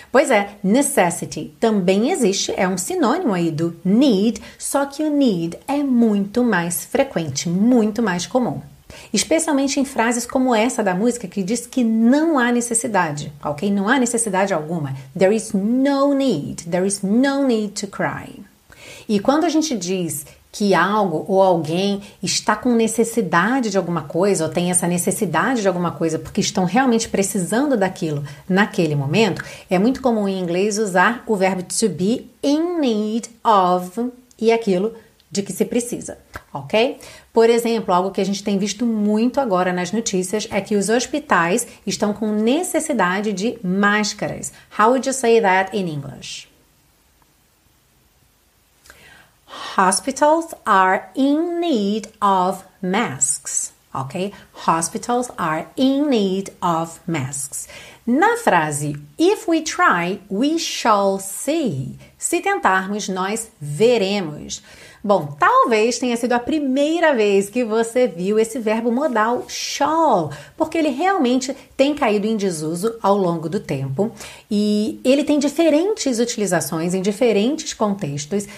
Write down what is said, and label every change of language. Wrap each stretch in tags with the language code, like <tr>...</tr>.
<pt>Pois é, necessity também existe, é um sinônimo aí do need, só que o need é muito mais frequente, muito mais comum. Especialmente em frases como essa da música que diz que não há necessidade, ok? Não há necessidade alguma.</pt> <en>There is no need, there is no need to cry.</en> <pt>E quando a gente diz que algo ou alguém está com necessidade de alguma coisa ou tem essa necessidade de alguma coisa porque estão realmente precisando daquilo naquele momento, é muito comum em inglês usar o verbo to be in need of e aquilo de que se precisa, ok? Por exemplo, algo que a gente tem visto muito agora nas notícias é que os hospitais estão com necessidade de máscaras.</pt> <en>How would you say that in English? Hospitals are in need of masks, ok? Hospitals are in need of masks. Na frase, if we try, we shall see.</en> <pt>Se tentarmos, nós veremos. Bom, talvez tenha sido a primeira vez que você viu esse verbo modal shall, porque ele realmente tem caído em desuso ao longo do tempo e ele tem diferentes utilizações em diferentes contextos.</pt>